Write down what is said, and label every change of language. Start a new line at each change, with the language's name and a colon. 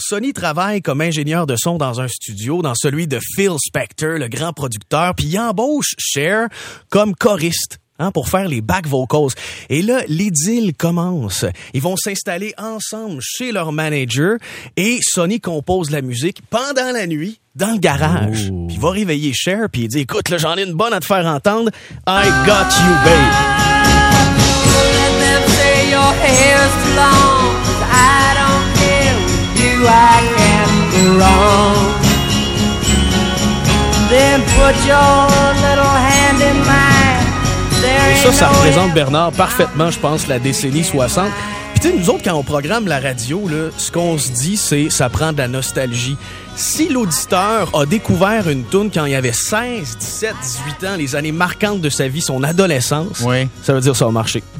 French: Sonny travaille comme ingénieur de son dans un studio, dans celui de Phil Spector, le grand producteur, puis il embauche Cher comme choriste. Pour faire les back vocals. Et là, l'idylle commence. Ils vont s'installer ensemble chez leur manager et Sonny compose la musique pendant la nuit dans le garage. Puis il va réveiller Cher puis il dit « Écoute, là, j'en ai une bonne à te faire entendre.
English: I got you, babe. » Let them say your hair's too long. I don't care with you, I can't be wrong. Then put your little hand in mine.
French: Et ça, ça représente, Bernard, parfaitement, je pense, la décennie 60. Puis tu sais, nous autres, quand on programme la radio, là, ce qu'on se dit, c'est ça prend de la nostalgie. Si l'auditeur a découvert une toune quand il avait 16, 17, 18 ans, les années marquantes de sa vie, son adolescence, ça veut dire ça va marcher.